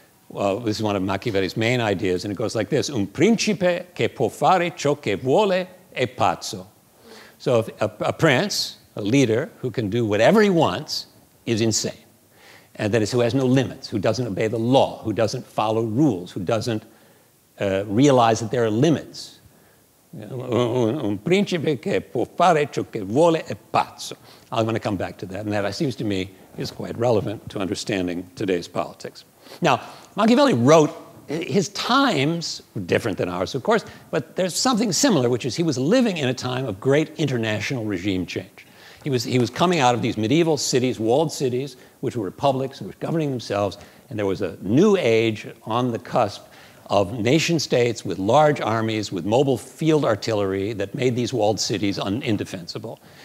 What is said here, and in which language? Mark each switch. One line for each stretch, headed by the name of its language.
English: Well, this is one of Machiavelli's main ideas, and it goes like this:
Italian: un principe che può fare ciò che vuole è pazzo.
English: So if a prince, a leader who can do whatever he wants is insane. And that is, who has no limits, who doesn't obey the law, who doesn't follow rules, who doesn't realize that there are limits.
Italian: Un principe che può fare ciò che vuole è pazzo.
English: I'm going to come back to that, and that seems to me is quite relevant to understanding today's politics. Now, Machiavelli wrote, his times were different than ours, of course, but there's something similar, which is he was living in a time of great international regime change. He was coming out of these medieval cities, walled cities, which were republics, which were governing themselves, and there was a new age on the cusp of nation states with large armies, with mobile field artillery that made these walled cities indefensible.